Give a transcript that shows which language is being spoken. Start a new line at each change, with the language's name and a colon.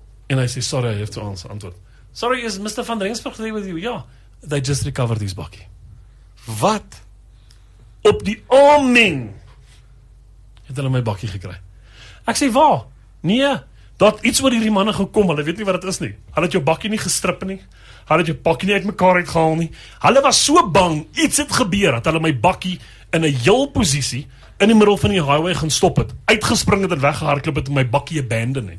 Afrikaans: En hy sê,
English: sorry, I have to answer. Antwoord. Sorry, is Mr. van Rensburg today with you? Ja. They just recovered his bakkie.
Afrikaans: Wat? Op die amen het hulle my bakkie gekry. Ek sê, waar? Nee, dat iets oor hierdie manne gekom, hulle weet nie wat dit is nie. Hulle het jou bakkie nie gestrip nie. Hulle het jou bakkie nie uit mekaar uitgehaal nie. Hulle was so bang, iets het gebeur, dat hulle my bakkie in 'n heel posisie in die middel van die highway gaan stop het. Uitgespring het en weggehardloop het en my bakkie abandon het.